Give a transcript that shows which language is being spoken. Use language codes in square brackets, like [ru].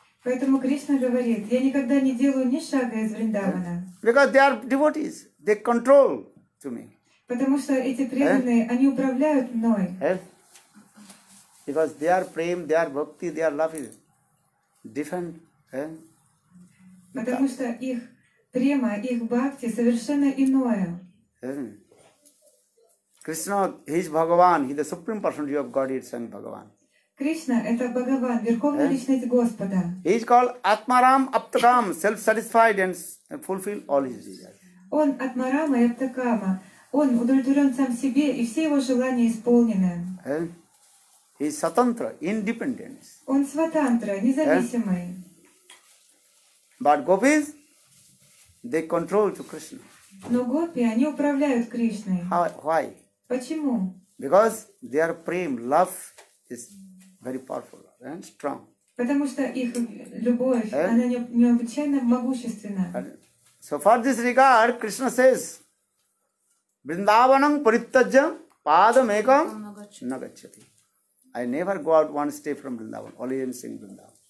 [ru] Поэтому Кришна говорит, я никогда не делаю ни шага из Вриндавана. [en] Because they are devotees, they control to me. [ru] Потому что эти преданные, они управляют мной. [en] Because their prem, their bhakti, their love is different. [ru] Потому что их према, их бхакти совершенно иное. [en] Krishna, he is Bhagavan, he is the supreme personality of Godhead, Swami Bhagavan. [ru] Кришна – это Бхагаван, Верховная Личность Господа. [en] He is called Atmaram Aptakam, self-satisfied and fulfill all his desires. [ru] Он – Атмарама и Аптакама. Он удовлетворен сам себе, и все его желания исполнены. [en] He is Satantra, independent. [ru] Он – Сватантра, независимый. [en] But gopis, they control to Krishna. [ru] Но гопи, они управляют Кришной. [en] Why? [ru] Почему? [en] Because their prem, love is very powerful and strong. [ru] Потому что их любовь, она необычайно могущественна. [en] So for this regard, Krishna says, [sa] Vrindavanam parityajyam padam ekam nagacchati. [en] I never go out one step from Vrindavan, only in sing Vrindavan.